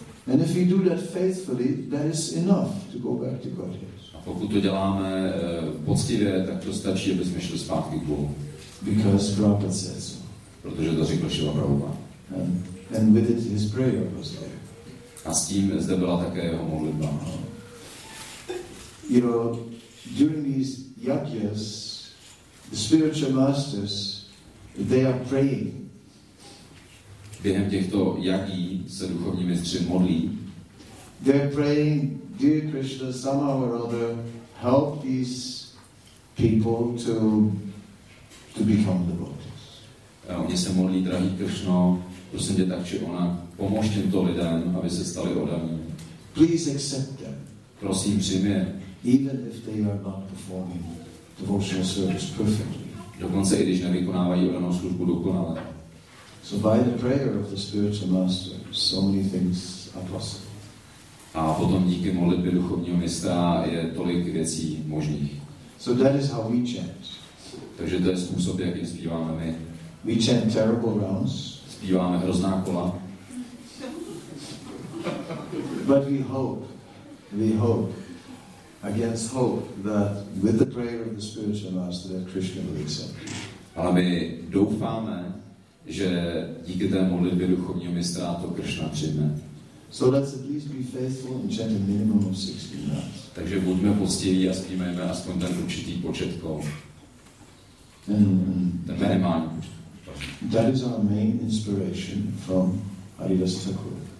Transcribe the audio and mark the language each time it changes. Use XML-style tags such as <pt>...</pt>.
<en>And if we do that faithfully, that is enough to go back to Godhead.</en> <cs>A pokud to děláme poctivě, tak to stačí, aby jsme šli zpátky k Bohu.</cs> <en>Because Prabhupada said so.</en> <cs>Protože to řekl Šila Prabhupáda.</cs> <en>And with it his prayer was there.</en> <cs>A s tím zde byla také jeho modlitba.</cs> <en>You know, during these yajnas, the spiritual masters, they are praying.</en> <cs>Během těchto jagí se duchovní mistři modlí.</cs> <en>They are praying, dear Krishna, somehow or other, help these people to become devotees.</en> <cs>Oni se modlí, drahý Krishna, prosím tě tak, či ona, pomož těmto lidem, aby se stali odaným.</cs> <en>Please accept them.</en> <cs>Prosím, přijmě.</cs> <en>Even if they are not performing devotional service perfectly.</en> <cs>Dokonce i když nevykonávají odanou službu dokonale.</cs> <en>So by the prayer of the spiritual master, so many things are possible.</en> <cs>A potom díky modlitbě duchovního mistra je tolik věcí možných.</cs> <en>So that is how we chant.</en> <cs>Takže to je způsob, jakým zpíváme my.</cs> <en>We chant terrible rounds.</en> <cs>Zpíváme hrozná kola.</cs> <en>But we hope, against hope, that with the prayer of the spiritual master, that Krishna will accept.</en> <cs>Ale my doufáme, že díky té modlitbě duchovního mistra to Krishna přijme.</cs> <en>So let's at least be faithful and chant a minimum of 16 rounds.</en> <cs>Takže buďme poctiví a zpívejme aspoň ten určitý počet kol. Ten minimální počet.</cs> <en>That is our main inspiration from Haridas Thakur.</en>